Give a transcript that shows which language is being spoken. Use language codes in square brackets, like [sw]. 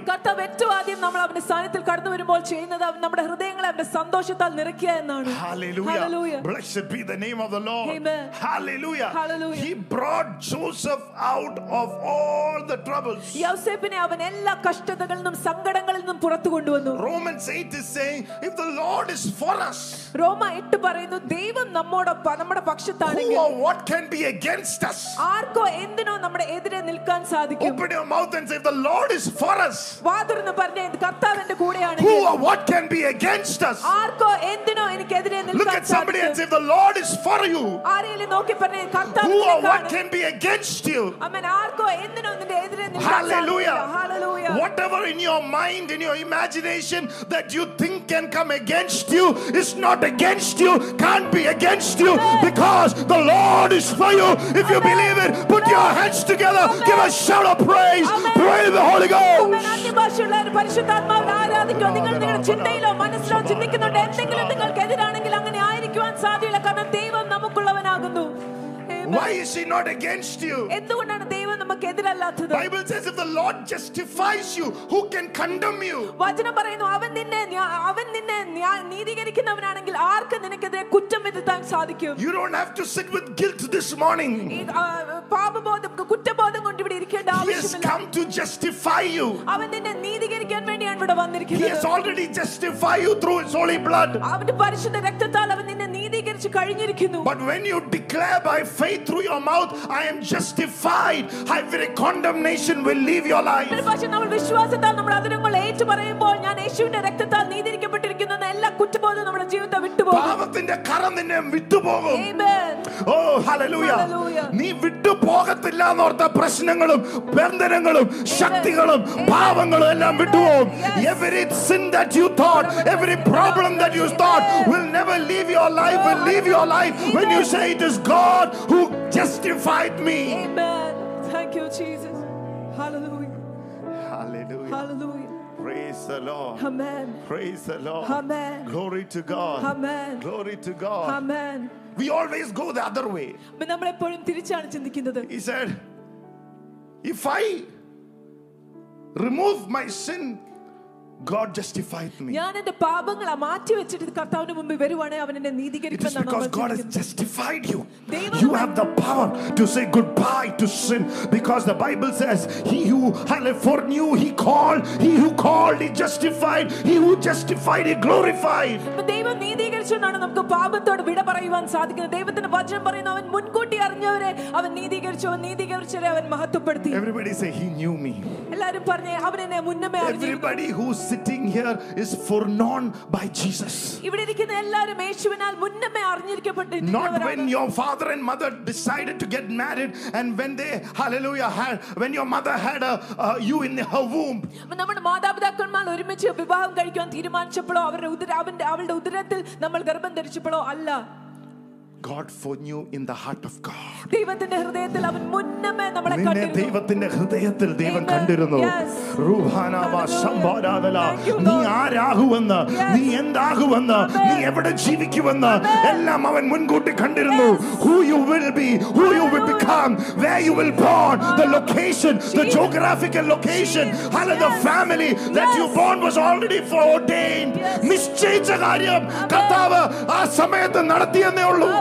[ml] കർത്താവ് ഏറ്റവും ആദ്യം നമ്മൾ അവന്റെ സാന്നിധ്യത്തിൽ കടന്നു വരുമ്പോൾ ചെയ്യുന്നത് നമ്മുടെ ഹൃദയങ്ങളെ അവന്റെ സന്തോഷത്താൽ നിറയ്ക്കുക എന്നാണ്. [en] Hallelujah. Hallelujah. Blessed be the name of the Lord. Amen. Hallelujah. Hallelujah. He brought Joseph out of all the troubles. [ml] യോസേഫിനെ അവൻ എല്ലാ കഷ്ടതകളിൽ നിന്നും സങ്കടങ്ങളിൽ നിന്നും പുറത്തു കൊണ്ടുവന്നു. [en] Romans 8 is saying, if the Lord is for us, [ml] റോമ 8 പറയുന്നു, ദൈവം നമ്മോടൊപ്പം നമ്മുടെ പക്ഷത്താണെങ്കിൽ, [en] who or what can be against us? [ml] ആർക്കോ എന്തിനോ നമ്മുടെ എതിരെ നിൽക്കാൻ സാധിക്കും. [en] Open your mouth and say, if the Lord is for us, [ml] vaadurnu parney ind kartavende koodiyaanu, [en] who or what can be against us? [ml] Aarko endino enik edire nilkkan. [en] Look at somebody and say, if the Lord is for you, [ml] aarile nokki parney kartavende, [en] who or what can be against you? [ml] Amen. Aarko endino ninde edire nilkkan. [en] Hallelujah. Hallelujah. Whatever in your mind, in your imagination, that you think can come against you, is not against you, can't be against you, Amen. Because the Lord is for you. If Amen. You believe it, put Amen. Your hands together. Amen. Give a shout of praise. Amen. Pray the Holy Ghost. Amen. [ml] ഭാഷയുള്ള പരിശുദ്ധാത്മാവിനെ ആരാധിക്കുക. നിങ്ങൾ നിങ്ങളുടെ ചിന്തയിലോ മനസ്സിലോ ചിന്തിക്കുന്നുണ്ട് എന്തെങ്കിലും നിങ്ങൾക്കെതിരാണെങ്കിൽ അങ്ങനെ ആയിരിക്കുവാൻ സാധ്യമല്ല, കാരണം ദൈവം നമുക്കുള്ളവനാകുന്നു. [en] Why is he not against you? [ml] എന്തുകൊണ്ടാണ് ദൈവം നമുക്ക് എതിരല്ലാത്തത്? [en] Bible says, if the Lord justifies you, who can condemn you? [ml] വചനം പറയുന്നു, അവൻ നിന്നെ നീതീകരിക്കുന്നവനാണെങ്കിൽ ആർക്ക് നിനക്കെതിരെ കുറ്റം വിധിക്കാൻ സാധിക്കും? [en] You don't have to sit with guilt this morning. [ml] പാപബോധം കുറ്റബോധം കൊണ്ട് ഇവിടെ ഇരിക്കേണ്ട. [en] has come to justify you. [ml] അവനെ നിന്നെ നീതീകരിക്കാൻ വേണ്ടിയാണ് ഇവിടെ വന്നിരിക്കുന്നത്. [en] He has already justified you through his holy blood. [ml] അവന്റെ പരിശുദ്ധ രക്തത്താൽ അവൻ നിന്നെ നീതീകരിച്ചു കഴിഞ്ഞിരിക്കുന്നു. [en] But when you declare by faith through your mouth, I am justified, every condemnation will leave your life. [ml] നമ്മൾ പക്ഷേ നമ്മൾ വിശ്വാസത്താൽ നമ്മൾ അതിനെ ഏറ്റു പറയുമ്പോൾ ഞാൻ യേശുവിന്റെ രക്തത്താൽ നീതീകരിക്കപ്പെട്ടിരിക്കുന്നു എന്ന എല്ലാ കുറ്റബോധവും നമ്മുടെ ജീവിതത്തെ വിട്ടുപോകും. പാപത്തിന്റെ കരം നിന്നെ വിട്ടുപോകും. Amen. ഓ ഹല്ലേലൂയ. നീ വിട്ടുപോകത്തില്ല എന്നോർത്ത പ്രശ്നങ്ങളും ബന്ധനങ്ങളും ശക്തികളും പാപങ്ങളും എല്ലാം വിട്ടുപോകും. [en] Every sin that you thought, every problem that you thought will never leave your life, will leave your life when you say it is God who justified me. Amen. Thank you, Jesus. Hallelujah. Hallelujah. Hallelujah. Praise the Lord. Amen. Praise the Lord. Amen. Glory to God. Amen. Glory to God. Amen. We always go the other way. [ml] But നമ്മൾ എപ്പോഴും തിരിച്ചാണ് ചിന്തിക്കുന്നത്. [en] He said, if I remove my sin, God justified me. [ml] ഞാൻ എൻ്റെ പാപങ്ങളെ മാറ്റി വെച്ചിട്ട് കർത്താവിൻ്റെ മുമ്പിൽ വരുവാണേ അവൻ എന്നെ നീതീകരിക്കുമെന്ന് [en] നമ്മൾ because God has justified you. You have the power to say goodbye to sin because the Bible says he who foreknew he called, he who called he justified, he who justified he glorified. [ml] അപ്പോൾ ദൈവം നീതീകരിച്ചുകൊണ്ടാണ് നമുക്ക് പാപത്തോട് വിട പറയുവാൻ സാധിക്കുന്നത്. ദൈവത്തിൻ്റെ വചനം പറയുന്നു അവൻ മുൻകൂട്ടി അറിഞ്ഞവരെ അവൻ നീതീകരിച്ചു, അവൻ നീതീകരിച്ചവരെ അവൻ മഹത്വപ്പെടുത്തി. [en] Everybody say he knew me. [ml] എല്ലാവരും പറഞ്ഞേ അവൻ എന്നെ മുന്നമേ [en] അറിഞ്ഞു. Sitting here is foreknown by Jesus. [ml] ഇവിടെ ഇരിക്കുന്ന എല്ലാവരും യേശുവിനാൽ മുന്നമേ അറിഞ്ഞിരിക്കപ്പെട്ടിരിക്കുന്നു. [en] Not when your father and mother decided to get married and when they hallelujah had when your mother had you in her womb. [ml] നമ്മുടെ മാതാപിതാക്കന്മാർ ഒരുമിച്ച് വിവാഹം കഴിക്കാൻ തീരുമാനിച്ചപ്പോൾ അവളുടെ ഉദരത്തിൽ നമ്മൾ ഗർഭം ധരിച്ചപ്പോൾ അല്ല. [en] God foreknew in the heart of God. [ml] ദൈവത്തിന്റെ ഹൃദയത്തിൽ അവൻ മുന്നമേ നമ്മളെ കണ്ടിരുന്നു. നിന്നെ ദൈവത്തിന്റെ ഹൃദയത്തിൽ ദൈവം കണ്ടിരുന്നു. രൂഹാനാവ സംബോധാദല നീ ആരാകുവെന്ന് നീ എന്താകുവെന്ന് നീ എവിടെ ജീവിക്കുവെന്ന് എല്ലാം അവൻ മുൻകൂട്ടി കണ്ടിരുന്നു. [en] Who you will be, who you will become, where you will born, the location, the geographical location, hallelujah, the family that you born was already foreordained. [ml] നിശ്ചയിച്ച കാര്യം കർത്താവ് ആ സമയത്ത് നടത്തിയെന്നേ ഉള്ളൂ.